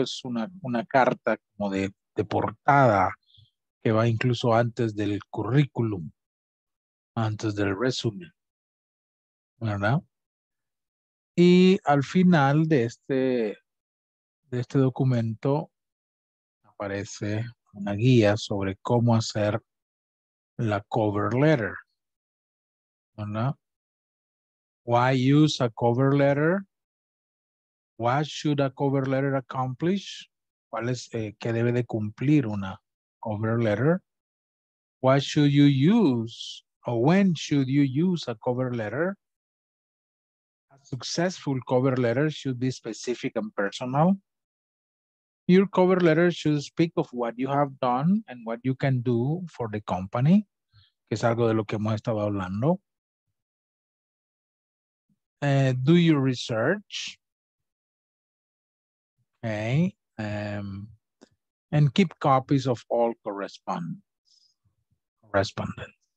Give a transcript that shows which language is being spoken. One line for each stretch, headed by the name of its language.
Spanish: Es una carta como de portada que va incluso antes del currículum, antes del resume, ¿verdad? Y al final de este documento aparece una guía sobre cómo hacer la cover letter, ¿verdad?
English: Why use a cover letter? What should a cover letter accomplish?
Spanish: ¿Cuál es qué debe de cumplir una cover letter?
English: What should you use? Or when should you use a cover letter? A successful cover letter should be specific and personal. Your cover letter should speak of what you have done and what you can do for the company.
Spanish: que es algo de lo que hemos estado hablando.
English: Do you research? Okay. And keep copies of all correspondence.